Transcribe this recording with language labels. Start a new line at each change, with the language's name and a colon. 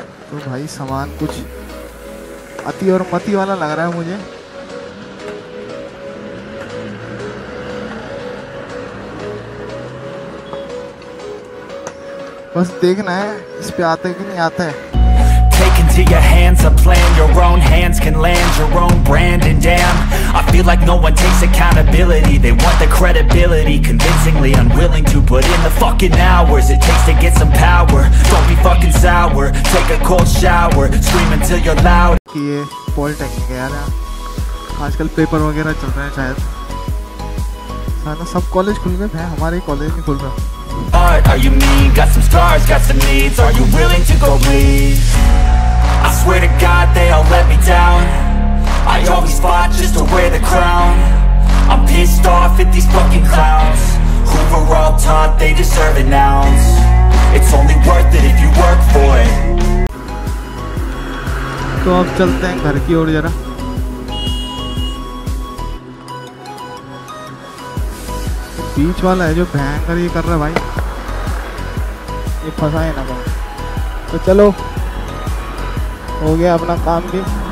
Hindi: तो भाई सामान कुछ अति और मति वाला लग रहा है मुझे। बस देखना है इस पे आते कि नहीं आते है।
English: To your hands a plan, your own hands can land your own brand. And damn, I feel like no one takes accountability. They want the credibility, convincingly unwilling to put in the fucking hours it takes to get some power. Don't be fucking sour, take a cold shower, scream until you're loud.
Hindi: ये polytechnic है यार, आजकल paper वगैरह चल रहे हैं शायद। हां ना सब कॉलेज खुल गए हैं, हमारे कॉलेज नहीं खुल रहा।
English: Are you mean? Got some scars, got some needs. Are you willing to go bleed? I swear to God they all let me down. I always fought just to wear the crown. I'm pissed off at these fucking clowns who were all taught they deserve an ounce. It's only worth it if you work for it.
Hindi: तो अब चलते हैं घर की ओर जरा। बीच वाला है जो भयंकर ये कर रहा है भाई, ये फंसाए ना भाई। तो चलो हो गया अपना काम भी।